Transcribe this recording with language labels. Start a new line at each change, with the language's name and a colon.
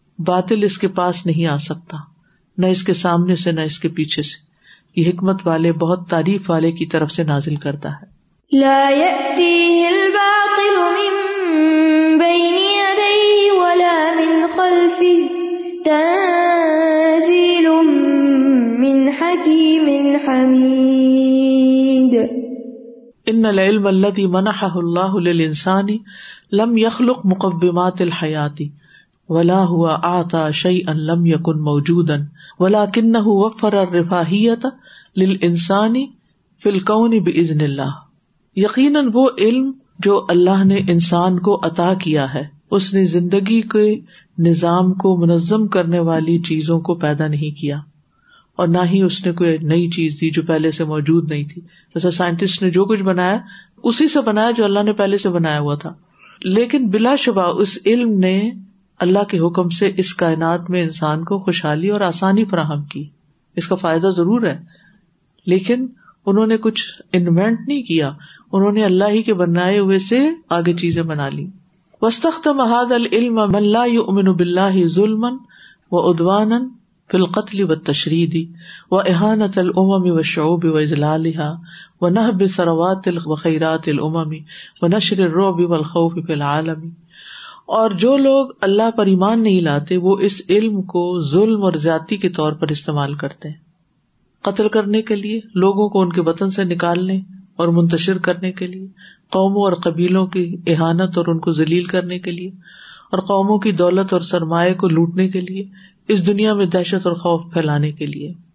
Urdu: باطل اس کے پاس نہیں آ سکتا، نہ اس کے سامنے سے نہ اس کے پیچھے سے، یہ حکمت والے بہت تعریف والے کی طرف سے نازل کرتا ہے.
Arabic: لا یأتیہ الباطل من بین یدیہ ولا من خلفہ تنزیل من حکیم حمید. ان العلم الذي منحه الله للانسان لم يخلق مقومات الحیات ولا هو اعطى شيئا لم يكن موجودا ولكنه وفر الرفاهیت للانسان في الكون باذن الله.
Urdu: یقینا وہ علم جو اللہ نے انسان کو عطا کیا ہے، اس نے زندگی کے نظام کو منظم کرنے والی چیزوں کو پیدا نہیں کیا اور نہ ہی اس نے کوئی نئی چیز دی جو پہلے سے موجود نہیں تھی. جیسا سائنٹسٹ نے جو کچھ بنایا اسی سے بنایا جو اللہ نے پہلے سے بنایا ہوا تھا، لیکن بلا شبہ اس علم نے اللہ کے حکم سے اس کائنات میں انسان کو خوشحالی اور آسانی فراہم کی، اس کا فائدہ ضرور ہے، لیکن انہوں نے کچھ انوینٹ نہیں کیا، انہوں نے اللہ ہی کے بنائے ہوئے سے آگے چیزیں بنا لی.
Arabic: واستخدم هذا العلم من لا يؤمن بالله ظلما وعدوانا في القتل والتشريد وإهانة الأمم والشعوب وإذلالها ونهب ثروات وخيرات الأمم ونشر الرعب والخوف في العالم.
Urdu: اور جو لوگ اللہ پر ایمان نہیں لاتے وہ اس علم کو ظلم اور زیادتی کے طور پر استعمال کرتے ہیں، قتل کرنے کے لیے، لوگوں کو ان کے وطن سے نکالنے اور منتشر کرنے کے لیے، قوموں اور قبیلوں کی اہانت اور ان کو ذلیل کرنے کے لیے، اور قوموں کی دولت اور سرمایہ کو لوٹنے کے لیے، اس دنیا میں دہشت اور خوف پھیلانے کے لیے.